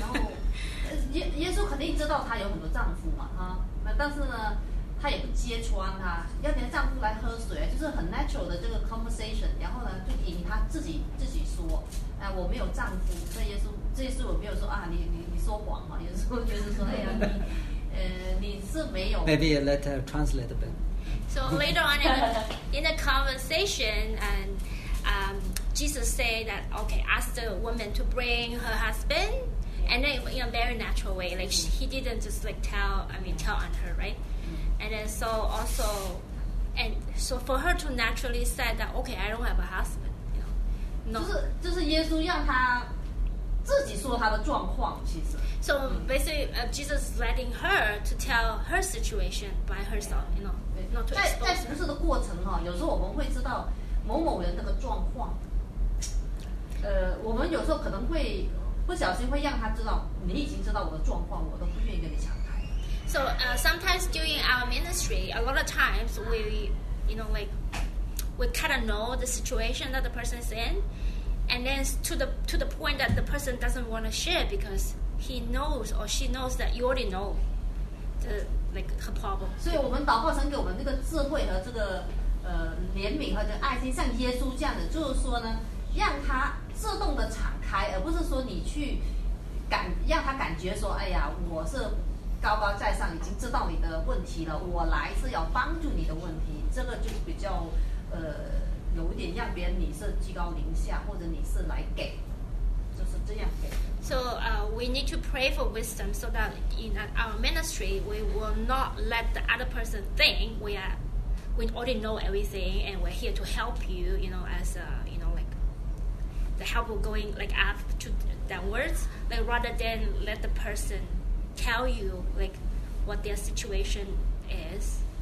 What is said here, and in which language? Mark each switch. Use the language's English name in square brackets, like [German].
[Chinese] 然后耶稣肯定知道他有很多丈夫嘛，哈，那但是呢，他也不揭穿他，要你的丈夫来喝水，就是很 [English] natural [Chinese] 的这个 [English] conversation。 [Chinese] 然后呢，就引他自己说：“哎，我没有丈夫。” 所以耶稣。这一次我没有说啊，你说谎嘛？有时候就是说，哎呀，你是没有。 [English] Maybe let her translate a bit. So later on in the conversation, and Jesus said that okay, ask the woman to bring her husband, and then in a very natural way, like he didn't just like tell on her, right? And then so also, and so for her to naturally say that okay, I don't have a husband, you know, no. [Chinese] 就是耶稣让他。自己说他的状况，其实。 [English] So basically, Jesus is letting her to tell her situation by herself, you know, not to expose. [Chinese] 在服侍的过程哈，有时候我们会知道某某人那个状况。我们有时候可能会不小心会让他知道，你已经知道我的状况，我都不愿意跟你敞开。 [English] So sometimes during our ministry, a lot of times we, you know, like we kind of know the situation that the person is in. And then to the point that the person doesn't want to share because he knows or she knows that you already know the like her problem. [Chinese] 所以我们祷告神给我们这个智慧和这个怜悯和这个爱心，像耶稣这样的，就是说呢，让他自动的敞开，而不是说你去感让他感觉说，哎呀，我是高高在上，已经知道你的问题了，我来是要帮助你的问题，这个就比较有点让别人你是居高临下，或者你是来给，就是这样给。 [English] So we need to pray for wisdom so that in our ministry we will not let the other person think we already know everything and we're here to help you, you know, as a, you know, like the help of going like up to downwards, like rather than let the person tell you like what their situation is.